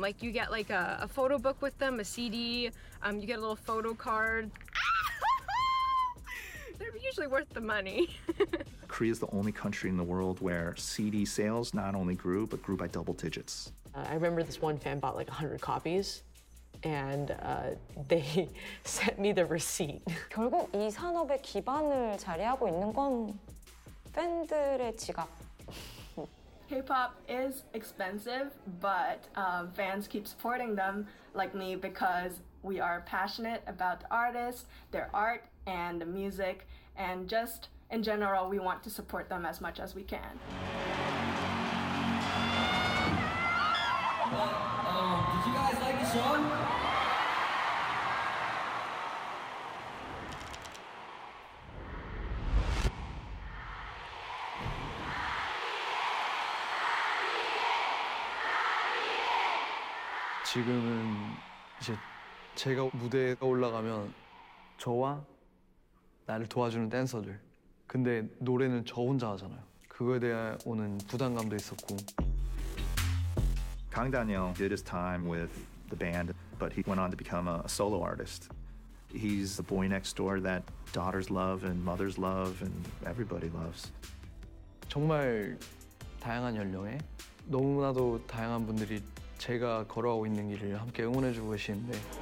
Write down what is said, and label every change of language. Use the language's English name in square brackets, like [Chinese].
[English] Like you get like a photo book with them, a CD, you get a little photo card. They're usually worth the money. Korea is the only country in the world where CD sales not only grew but grew by double digits. I remember this one fan bought like 100 copies. And they sent me the receipt. [Korean] 결국 이 산업의 기반을 자리하고 있는 건 팬들의 지갑. [English] K-pop is expensive, but fans keep supporting them, like me, because we are passionate about the artists, their art, and the music, and just in general, we want to support them as much as we can. Did you guys like the song? [Korean] Now, 이제 제가 무대에 올라가면 저와 나를 도와주는 댄서들. 근데 노래는 저 혼자 하잖아요. 그거에 대해 오는 부담감도 있었고. [English] Kang Daniel did his time with the band, but he went on to become a solo artist. He's the boy next door that daughters love and mothers love and everybody loves. [Korean] 정말 다양한 연령에 너무나도 다양한 분들이 제가 걸어가고 있는 길을 함께 응원해주고 계시는데.